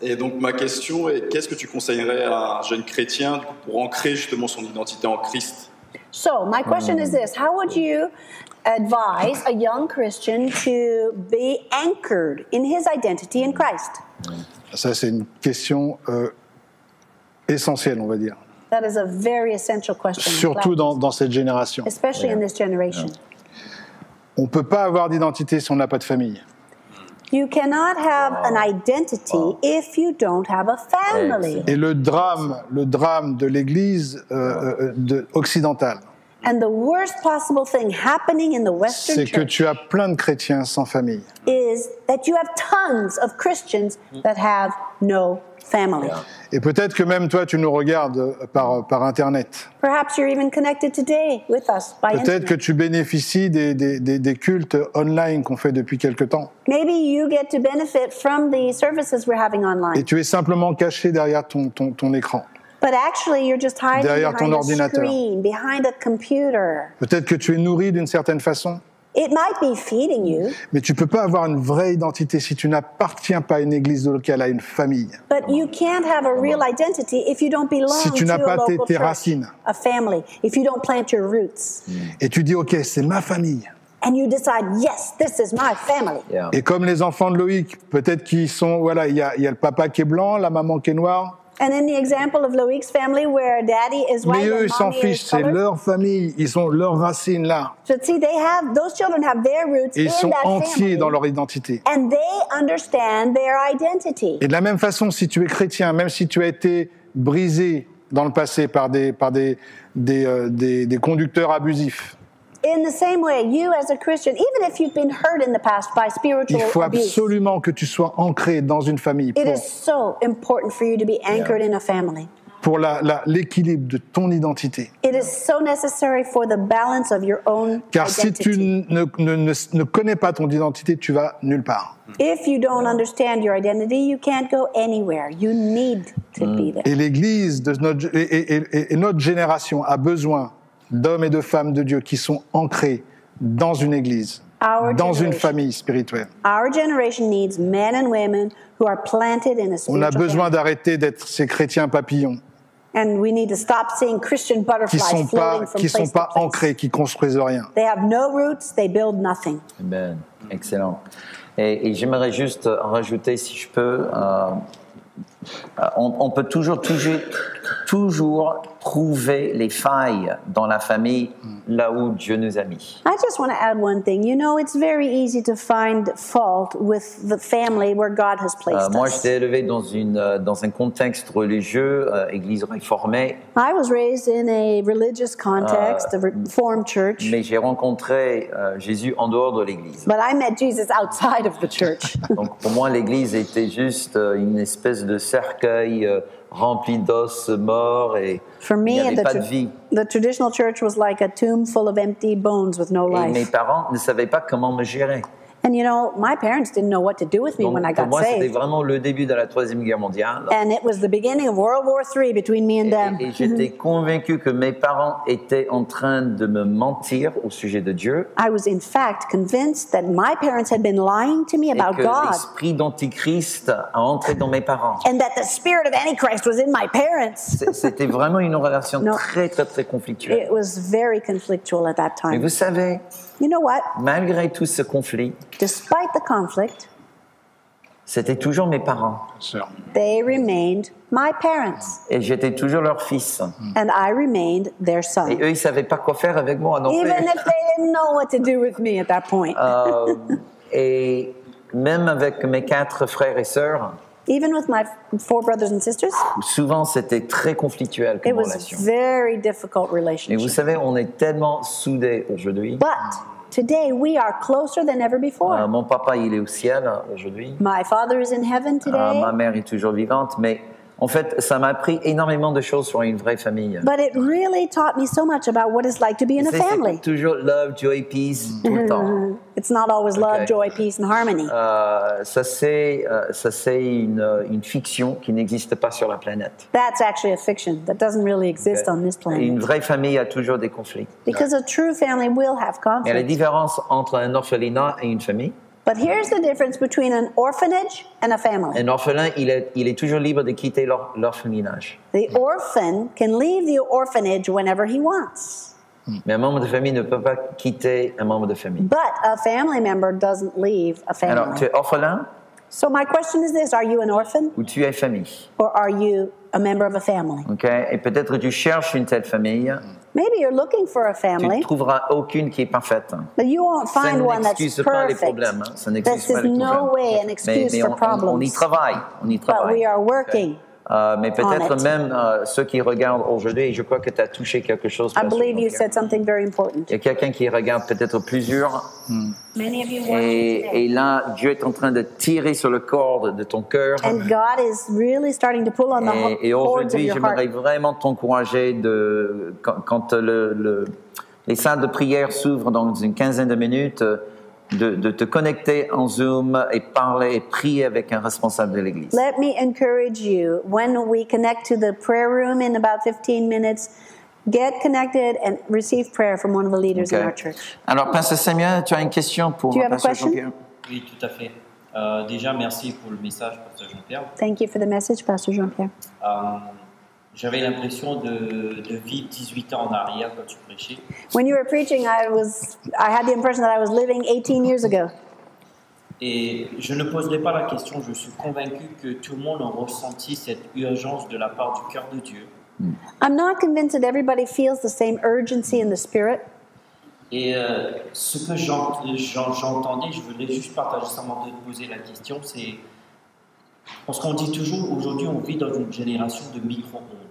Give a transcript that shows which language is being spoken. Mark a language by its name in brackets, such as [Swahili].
[French] Et donc ma question est, qu'est-ce que tu conseillerais à un jeune chrétien pour ancrer justement son identité en Christ? [English] So, my question is this, how would you advise a young Christian to be anchored in his identity in Christ? [French] Ça c'est une question essentielle, on va dire. [English] That is a very essential question. [French] Surtout dans cette génération. [English] Especially in this generation. Yeah. [French] On ne peut pas avoir d'identité si on n'a pas de famille. [English] You cannot have an identity if you don't have a family. [French] Et le drame de l'Église occidentale. [English] And the worst possible thing happening in the Western Church. [French] C'est que tu as plein de chrétiens sans famille. [English] Is that you have tons of Christians that have no family. [French] Et peut-être que même toi tu nous regardes par internet. [English] Perhaps you're even connected today with us by internet. [French] Peut-être que tu bénéficies des cultes online qu'on fait depuis quelque temps. [English] Maybe you get to benefit from the services we're having online. [French] Et tu es simplement caché derrière ton écran. [English] But actually, you're just hiding [French] derrière [English] behind [French] ton ordinateur. [English] A screen, behind a computer. [French] Peut-être que tu es nourri d'une certaine façon. [English] It might be feeding you. [French] Mais tu ne peux pas avoir une vraie identité si tu n'appartiens pas à une église locale, à une famille. [English] But you can't have a real identity if you don't belong [French] si tu n'as [English] to [French] pas [English] a local [French] tes racines. [English] Church, a family, if you don't plant your roots. [French] Et tu dis, OK, c'est ma famille. [English] And you decide, yes, this is my family. Yeah. [French] Et comme les enfants de Loïc, peut-être qu'ils sont, voilà, il y a le papa qui est blanc, la maman qui est noire. [English] And in the example of Loïc's family, where daddy is white and mommy is [French] colored. Mais eux, ils s'en fichent. C'est leur famille. Ils ont leurs racines là. [English] But see, they have those children have their roots in that family. [French] Ils sont entiers dans leur identité. [English] And they understand their identity. [French] Et de la même façon, si tu es chrétien, même si tu as été brisé dans le passé par des conducteurs abusifs. [English] In the same way, you as a Christian, even if you've been hurt in the past by spiritual abuse, [French] il faut absolument que tu sois ancré dans une famille. [English] It is so important for you to be anchored in a family. [French] Pour l'équilibre de ton identité. [English] It is so necessary for the balance of your own identity. Car si tu ne connais pas ton identité, tu vas nulle part. If you don't understand your identity, you can't go anywhere. You need to be there. [French] Et l'Église de notre génération a besoin d'hommes et de femmes de Dieu qui sont ancrés dans une église, dans une famille spirituelle. [English] Our generation needs men and women who are planted in a spiritual. [French] On a besoin d'arrêter d'être ces chrétiens papillons. [English] And we need to stop seeing Christian butterflies floating from place to place. [French] Qui sont pas ancrés, qui construisent rien. [English] They have no roots, they build nothing. Amen. Excellent. [French] Et j'aimerais juste rajouter, si je peux, on peut toujours trouver les failles dans la famille là où Dieu nous a mis. [English] I just want to add one thing. You know, it's very easy to find fault with the family where God has placed us. [French] Moi, j'étais élevé dans un contexte religieux, église réformée. [English] I was raised in a religious context, a reformed church. [French] Mais j'ai rencontré Jésus en dehors de l'église. [English] But I met Jesus outside of the church. [French] Donc pour moi, l'église était juste une espèce de cercueil rempli d'os morts et [English] for me, [French] il n'y avait pas de vie. [English] The traditional church was like a tomb full of empty bones with no life. [French] Et mes parents ne savaient pas comment me gérer. [English] And you know, my parents didn't know what to do with me [French] donc, [English] when I got [French] moi, [English] saved. [French] C'était vraiment le début de la Troisième Guerre mondiale. [English] And it was the beginning of World War III between me and them. [French] Et j'étais convaincu que mes parents étaient en train de me mentir au sujet de Dieu. [English] I was in fact convinced that my parents had been lying to me about God. [French] Et que l'esprit d'Antichrist a entré dans mes parents. [English] And that the spirit of Antichrist was in my parents. [French] C'était vraiment une relation très très très conflictuelle. [English] It was very conflictual at that time. [French] Mais vous savez, [English] you know what? [French] Malgré tout ce conflit, [English] despite the conflict, [French] c'était toujours mes parents. [English] They remained my parents. [French] Et j'étais toujours leur fils. [English] And I remained their son. [French] Et eux, ils savaient pas quoi faire avec moi. Non [English] even if they didn't know what to do with me at that point. [French] Et même avec mes quatre frères et sœurs, [English] even with my four brothers and sisters, [French] souvent c'était très conflictuel comme [English] it was [French] relation. [English] A very difficult relationship. [French] Et vous savez, on est tellement soudés aujourd'hui. [English] But today we are closer than ever before. [French] Mon papa, il est au ciel aujourd'hui. [English] My father is in heaven today. [French] Ma mère est toujours vivante, mais en fait, ça m'a appris énormément de choses sur une vraie famille. [English] But it really taught me so much about what it's like to be in a family. [French] C'est toujours [English] love, joy, peace, [French] tout le temps. [English] It's not always love, joy, peace, and harmony. [French] Ça c'est une fiction qui n'existe pas sur la planète. [English] That's actually a fiction that doesn't really exist on this planet. [French] Une vraie famille a toujours des conflits. [English] Because a true family will have conflicts. [French] Et la différence entre un orphelinat et une famille. [English] But here's the difference between an orphanage and a family. [French] Un orphelin, il est toujours libre de quitter l'orphelinage. [English] The orphan can leave the orphanage whenever he wants. [French] Mais un membre de famille ne peut pas quitter un membre de famille. [English] But a family member doesn't leave a family. [French] Alors, tu es orphelin? [English] So my question is this, are you an orphan? [French] Ou tu es famille? [English] Or are you a member of a family? [French] Okay, et peut-être que tu cherches une telle famille. [English] Maybe you're looking for a family. [French] Tu ne trouveras aucune qui est parfaite. [English] But you won't find one that's perfect. [French] Ça n'excuse pas les problèmes. Ça n'excuse [English] this is [French] pas les [English] no [French] problèmes. [English] Way an excuse [French] mais [English] for problems. [French] On y travaille. On y travaille. [English] But we are working. Okay. [French] Mais peut-être même ceux qui regardent aujourd'hui, je crois que tu as touché quelque chose. [English] I believe you said something very important. [French] Il y a quelqu'un qui regarde peut-être plusieurs. [English] Many of you [French] et là, Dieu est en train de tirer sur le corde de ton cœur. [English] Really [French] et aujourd'hui, j'aimerais vraiment t'encourager de, quand les salles de prière s'ouvrent dans une quinzaine de minutes, de te connecter en Zoom et parler et prier avec un responsable de l'église. [English] Let me encourage you, when we connect to the prayer room in about 15 minutes, get connected and receive prayer from one of the leaders okay. in our church. [French] Alors, Pastor Samuel, tu as une question pour Pastor Jean-Pierre? Oui, tout à fait. Déjà, merci pour le message, Pastor Jean-Pierre. [English] Thank you for the message, Pastor Jean-Pierre. [French] J'avais l'impression de vivre 18 ans en arrière quand tu prêchais. [English] When you were preaching, I had the impression that I was living 18 years ago. [French] Et je ne poserai pas la question, je suis convaincu que tout le monde a ressenti cette urgence de la part du cœur de Dieu. [English] I'm not convinced that everybody feels the same urgency in the spirit. [French] Et ce que j'entendais, je voulais juste partager ça avant de poser la question, c'est parce qu'on dit toujours aujourd'hui on vit dans une génération de micro-ondes.